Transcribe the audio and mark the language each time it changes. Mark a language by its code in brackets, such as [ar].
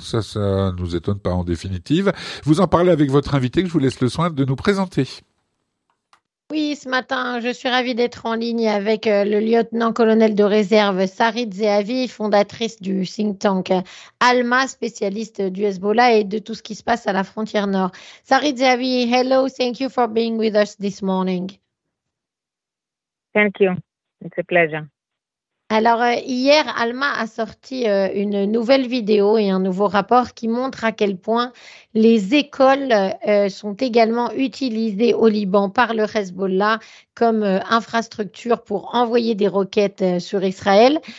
[fr] Ça nous étonne pas en définitive. Vous en parlez avec votre invité que je vous laisse le soin de nous présenter. Oui, ce matin, je suis ravie d'être en ligne avec le lieutenant-colonel de réserve Sarit Zehavi, fondatrice du think tank ALMA, spécialiste du Hezbollah et de tout ce qui se passe à la frontière nord. [en] Sarit Zehavi, hello, thank you for being with us this morning. Thank you, it's a pleasure. [fr] Alors, hier, ALMA a sorti une nouvelle vidéo et un nouveau rapport qui montre à quel point les écoles sont également utilisées au Liban par le Hezbollah comme infrastructure pour envoyer des roquettes sur Israël.